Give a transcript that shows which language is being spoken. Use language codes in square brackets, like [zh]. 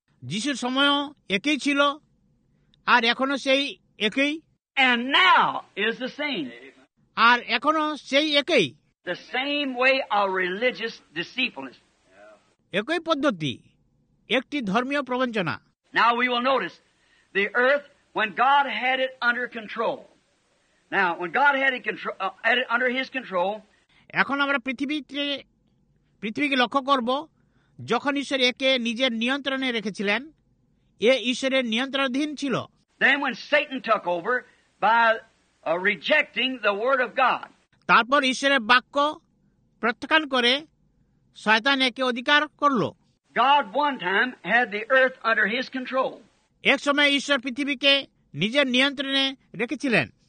[bn] যিশুর সময়ও একই ছিল, আর এখনো সেই একই। [en] And now is the same. [bn] আর এখনো সেই একই। [en] The same way of religious deceitfulness. [bn] একই পদ্ধতি, একটি ধর্মীয় প্রবঞ্চনা। [en] Now we will notice the earth. When God had it under control, now when God had it control, had it under his control, [bn] এখন আমরা পৃথিবীকে লক্ষ্য করব, যখন ঈশ্বর একে নিজের নিয়ন্ত্রণে রেখেছিলেন, এ ঈশ্বরের নিয়ন্ত্রণাধীন ছিল। [en] Then when Satan took over by rejecting the word of God, [bn] তারপর ঈশ্বরের বাক্য প্রত্যাখ্যান করে শয়তান একে অধিকার করল। [en] God one time had the earth under his control. [bn] এক সময় ঈশ্বর পৃথিবীকে নিজের নিয়ন্ত্রণে রেখেছিলেন।